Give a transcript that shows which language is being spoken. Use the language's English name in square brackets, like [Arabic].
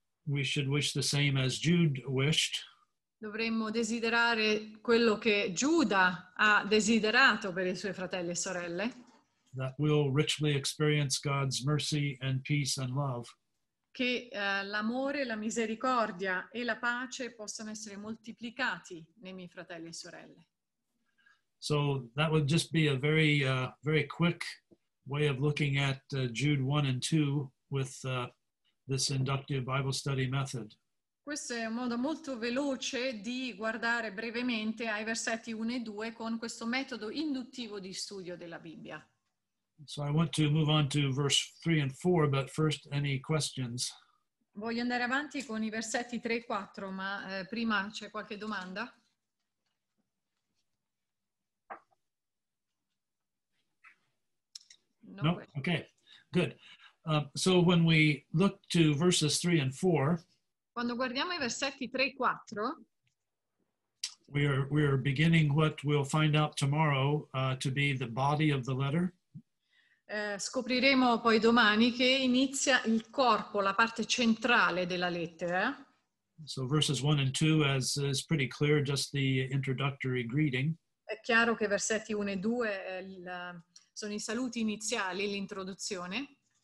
[English] We should wish the same as Jude wished. [Italian] Dovremmo desiderare quello che Giuda ha desiderato per i suoi fratelli e sorelle. [English] That we'll richly experience God's mercy and peace and love. [Italian] Che l'amore, la misericordia e la pace possano essere moltiplicati nei miei fratelli e sorelle. [English] So that would just be a very very quick way of looking at Jude 1 and 2 with this inductive Bible study method. [Italian] Questo è un modo molto veloce di guardare brevemente ai versetti 1 e 2 con questo metodo induttivo di studio della Bibbia. [English] So I want to move on to verse 3 and 4, but first any questions? [Italian] Voglio andare avanti con i versetti 3 e 4, ma prima c'è qualche domanda? [English] No? Okay, good. So when we look to verses 3 and 4, [Italian] quando guardiamo i versetti 3 e 4, [English] we are beginning what we'll find out tomorrow to be the body of the letter. [Italian] Scopriremo poi domani che inizia il corpo, la parte centrale della lettera. [English] So verses 1 and 2 is pretty clear, just the introductory greeting. [Italian] È chiaro che versetti 1 e 2 sono i saluti iniziali, l'introduzione.